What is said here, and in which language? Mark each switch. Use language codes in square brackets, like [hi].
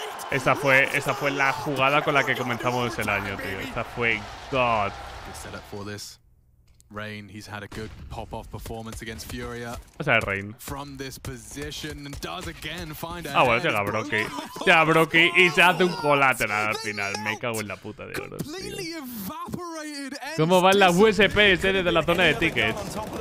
[es] Esta fue la jugada con la que comenzamos el año, tío. Esta fue God. [en] Rain, he's had a good pop-off performance against Furia. What's that, Rain? From this position, does again find a head. [es] Ah, bueno, llega Brocky. Llega Brocky y se hace un colateral al final. Me cago en la puta de oro, tío. ¿Cómo van las USP desde la zona de tickets?